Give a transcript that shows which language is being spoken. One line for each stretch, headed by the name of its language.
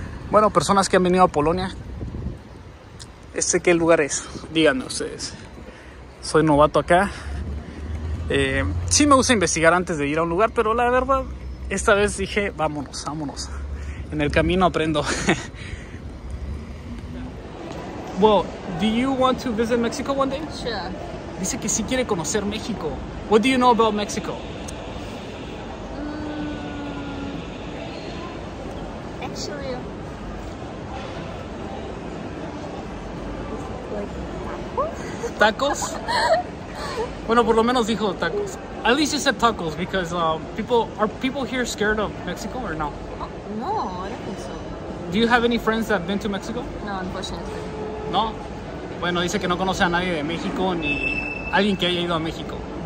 Spanish: Bueno, personas que han venido a Polonia, ¿este qué lugar es? Díganme ustedes. Soy novato acá. Sí me gusta investigar antes de ir a un lugar, pero la verdad, esta vez dije, vámonos. En el camino aprendo.
English: Well, do you want to visit Mexico one day? Sure.
Spanish: Dice que sí quiere conocer México.
English: What do you know about Mexico? Actually, tacos.
Spanish: Bueno, por lo menos dijo tacos.
English: At least you said tacos, because are people here scared of Mexico or no? No, I don't think so. Do you have any friends that have been to Mexico? No, unfortunately. No.
Spanish: Bueno, dice que no conoce a nadie de México ni alguien que haya ido a México.